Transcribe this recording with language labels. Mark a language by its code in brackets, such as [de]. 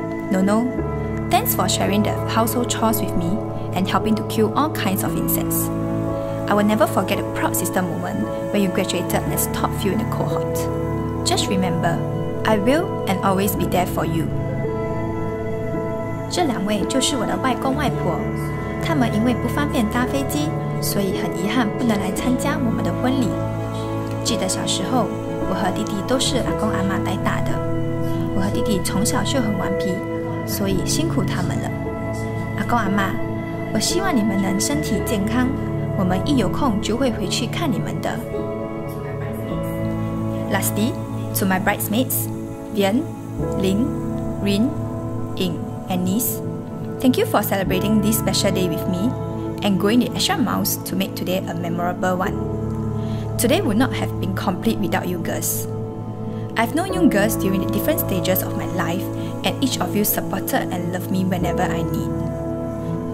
[en] Nono, thanks for sharing the household chores with me and helping to kill all kinds of insects. I will never forget a proud sister moment when you graduated as top few in the cohort. Just remember, I will and always be there for you. [zh] 这两位就是我的外公外婆。他们因为不方便搭飞机，所以很遗憾不能来参加我们的婚礼。记得小时候，我和弟弟都是阿公阿妈带大的。我和弟弟从小就很顽皮，所以辛苦他们了。阿公阿妈，我希望你们能身体健康，我们一有空就会回去看你们的。 [en] Lastly, to my bridesmaids, Vian, Ling, Rin, Ying, and Nis, thank you for celebrating this special day with me and going the extra miles to make today a memorable one. Today would not have been complete without you girls. I've known you girls during the different stages of my life and each of you supported and loved me whenever I need.